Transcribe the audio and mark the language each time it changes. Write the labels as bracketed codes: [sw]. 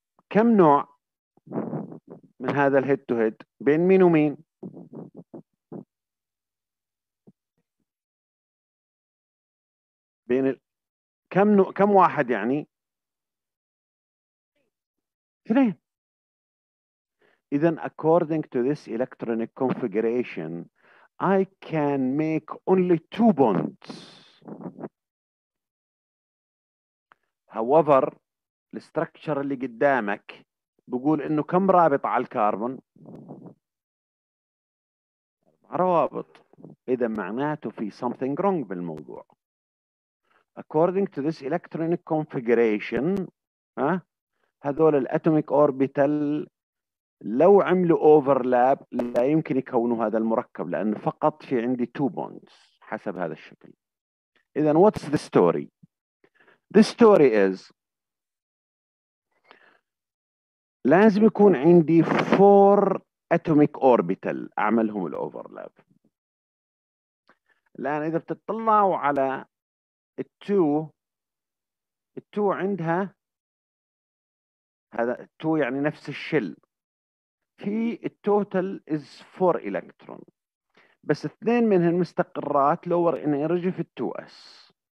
[ar] كم نوع من هذا الهيد تو هيد بين مين ومين؟ بين كم نوع، كم واحد يعني؟ اثنين. [en] إذا according to this electronic configuration I can make only two bonds. [ar] However الستركتشر اللي قدامك بقول انه كم رابط على الكربون؟ اربع روابط. اذا معناته في [en] something wrong [ar] بالموضوع. [en] According to this electronic configuration [ar] هذول الاتوميك اوربيتال لو عملوا اوفرلاب لا يمكن يكونوا هذا المركب، لانه فقط في عندي [en] two bonds [ar] حسب هذا الشكل. [en] اذا what's the story؟ The story is [ar] لازم يكون عندي [en] four atomic orbital [ar] أعملهم الأوفرلاب. الآن إذا بتطلعوا على التو عندها هذا التو يعني نفس الشل، في التوتال [en] is four electron [ar] بس اثنين منهم مستقرات [en] lower energy [ar] في التو اس.